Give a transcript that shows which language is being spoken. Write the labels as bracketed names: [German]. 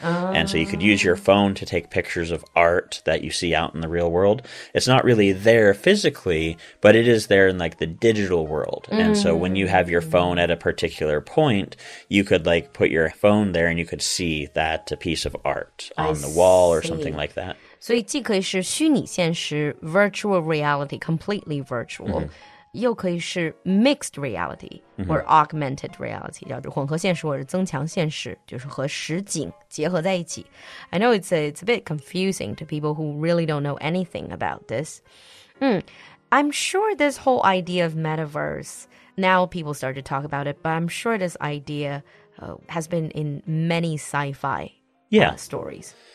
[English] And so you could use your phone to take pictures of art that you see out in the real world. It's not really there physically, but it is there in like the digital world. And so when you have your phone at a particular point, you could like put your phone there and you could see that a piece of art on the wall or something like that. [Chinese] 所以既可以是虚拟现实 [English] virtual reality, completely virtual, [Chinese] 又可以是 [English] mixed reality, or augmented reality, [Chinese] 叫做混合现实或者增强现实就是和实景结合在一起。 [English] I know it's a bit confusing to people who really don't know anything about this. I'm sure this whole idea of metaverse, now people start to talk about it, but I'm sure this idea has been in many sci-fi stories.